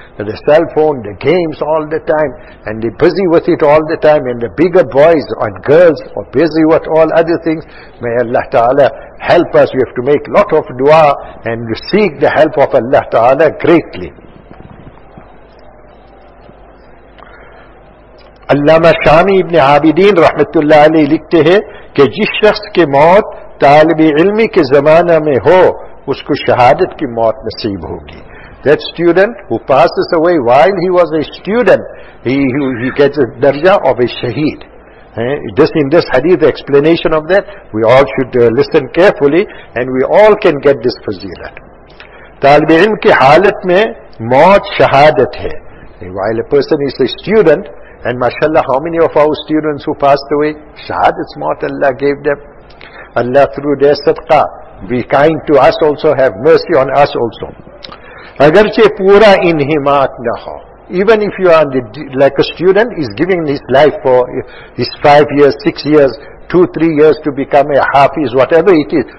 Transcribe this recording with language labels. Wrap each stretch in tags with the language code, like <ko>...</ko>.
<en>The cell phone, the games all the time, and they're busy with it all the time, and the bigger boys and girls are busy with all other things. May Allah Ta'ala help us. We have to make lot of dua and seek the help of Allah Ta'ala greatly.</en> <ur>علامہ شامی ابن عابدین رحمت اللہ علیہ لکھتے ہیں کہ جس شخص کے موت طالب علمی کے زمانہ میں ہو اس کو شہادت کی موت نصیب ہوگی.</ur> <en>That student who passes away while he was a student, he gets a درجہ of a شہید. Just in this hadith, the explanation of that, we all should listen carefully and we all can get this فضیلت.</en> <ur>طالب علم کی حالت میں موت شہادت ہے.</ur> <en>While a person is a student, and mashallah, how many of our students who passed away? Shahadat's mort Allah gave them. Allah through their sadqa, be kind to us also, have mercy on us also.</en> <ur>Agarche pura inhimat na ho.</ur> <en>Even if you are like a student, is giving his life for his 5 years, 6 years, 2-3 years to become a hafiz, whatever it is.</en>